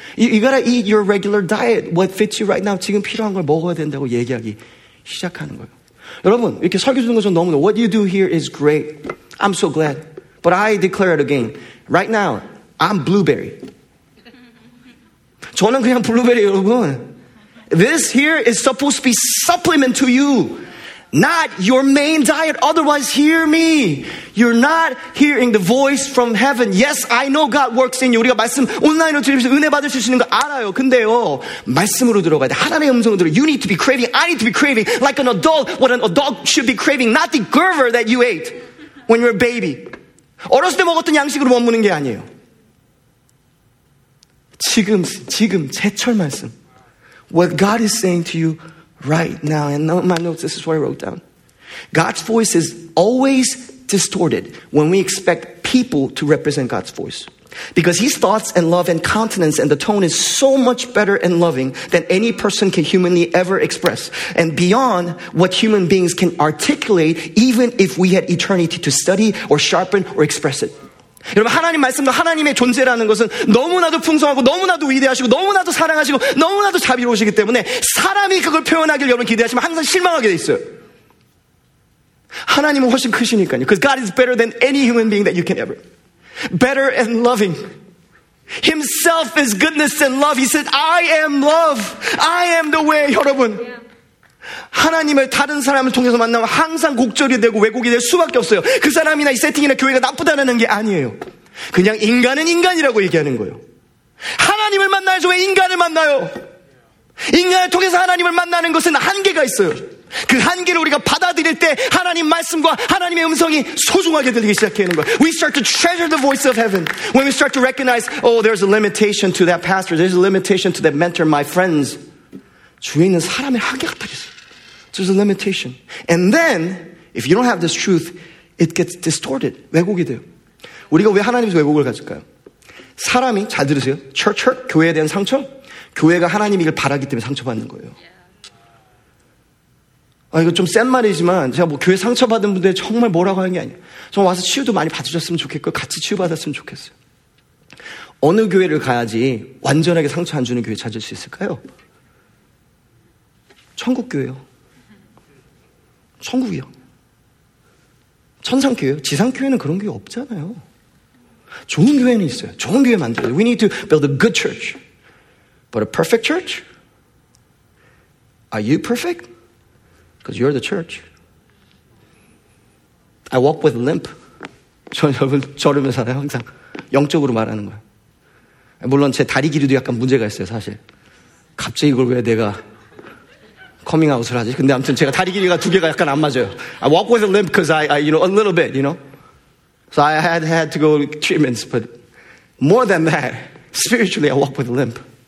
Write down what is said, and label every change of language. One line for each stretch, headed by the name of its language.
English: You got to eat your regular diet. What fits you right now.
Korean: 지금 필요한 걸 먹어야 된다고 얘기하기 시작하는 거예요. 여러분, 이렇게 설교 듣는 것은 너무나
English: What you do here is great. I'm so glad. But I declare it again. Right now, I'm blueberry.
Korean: 저는 그냥 블루베리 여러분.
English: This here is supposed to be supplement to you. Not your main diet. Otherwise, hear me. You're not hearing the voice from heaven. Yes, I know God works in you.
Korean: 우리가 말씀 온라인으로 들으면서 은혜 받을 수 있는 거 알아요. 근데요, 말씀으로 들어가야 돼. 하나님의 음성을 들어.
English: You need to be craving. I need to be craving. Like an adult, what an adult should be craving. Not the Gerber that you ate when you were a baby.
Korean: 어렸을 때 먹었던 양식으로 머무는 게 아니에요. 지금 제철 말씀.
English: What God is saying to you right now, and in my notes, this is what I wrote down. God's voice is always distorted when we expect people to represent God's voice. Because his thoughts and love and countenance and the tone is so much better and loving than any person can humanly ever express. And beyond what human beings can articulate, even if we had eternity to study or sharpen or express it.
Korean: 여러분, 하나님 말씀도 하나님의 존재라는 것은 너무나도 풍성하고 너무나도 위대하시고 너무나도 사랑하시고 너무나도 자비로우시기 때문에 사람이 그걸 표현하기를 여러분 기대하시면 항상 실망하게 돼 있어요. 하나님은 훨씬 크시니까요.
English: Because God is better than any human being that you can ever. Better and loving. Himself is goodness and love. He said, I am love. I am the way, 여러분.
Korean: 하나님을 다른 사람을 통해서 만나면 항상 곡절이 되고 왜곡이 될 수밖에 없어요. 그 사람이나 이 세팅이나 교회가 나쁘다는 게 아니에요. 그냥 인간은 인간이라고 얘기하는 거예요. 하나님을 만나야죠. 왜 인간을 만나요? 인간을 통해서 하나님을 만나는 것은 한계가 있어요. 그 한계를 우리가 받아들일 때 하나님 말씀과 하나님의 음성이 소중하게 들리기 시작하는 거예요.
English: We start to treasure the voice of heaven when we start to recognize, oh, there's a limitation to that pastor, there's a limitation to that mentor, my friends.
Korean: 주위에 있는 사람의 한계가 딱 있어요.
English: There's a limitation. And then, if you don't have this truth, it gets distorted.
Korean: 왜곡이 돼요. 우리가 왜 하나님에서 왜곡을 가질까요? 사람이, 잘 들으세요. Church hurt, 교회에 대한 상처. 교회가 하나님이길 바라기 때문에 상처받는 거예요. 아, 이거 좀 센 말이지만, 제가 뭐 교회 상처받은 분들 정말 뭐라고 하는 게 아니에요. 저 와서 치유도 많이 받으셨으면 좋겠고, 같이 치유받았으면 좋겠어요. 어느 교회를 가야지 완전하게 상처 안 주는 교회 찾을 수 있을까요? 천국교회요. 천국이요. 천상교회요. 지상교회는 그런 게 없잖아요. 좋은 교회는 있어요. 좋은 교회 만들어요.
English: We need to build a good church. But a perfect church? Are you perfect? Because you're the church. I walk with a limp.
Korean: 저러면서 살아요, 항상. 영적으로 말하는 거예요. 물론 제 다리 길이도 약간 문제가 있어요, 사실. 갑자기 이걸 왜 내가 커밍아웃을 하지? 근데 아무튼 제가 다리 길이가 두 개가 약간 안 맞아요.
English: I walk with a limp because I, you know, a little bit, you know. So I had to go to treatments, but more than that, spiritually I walk with a limp.